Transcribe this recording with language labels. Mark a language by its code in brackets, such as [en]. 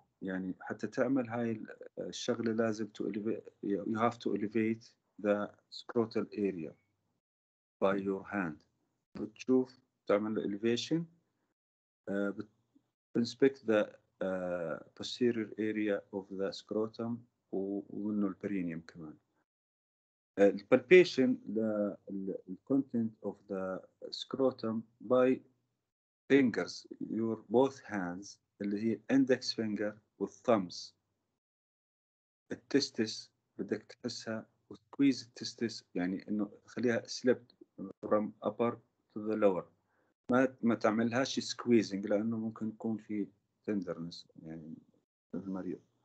[ar] يعني حتى تعمل هاي الشغلة لازم [en] to elevate, you have to elevate the scrotal area by your hand. [ar] بتشوف تعمل elevation. [en] Inspect the posterior area of the scrotum [ar] ومنه البرينيوم كمان. [en] Palpation the content of the scrotum by fingers, your both hands [ar] اللي هي [en] index finger with thumbs. [ar] التستس بدك تحسها وتسكويز التستس، يعني انه خليها [en] slipped from upper to the lower. [ar] ما تعملهاش squeezing لانه ممكن يكون في tenderness يعني المريض.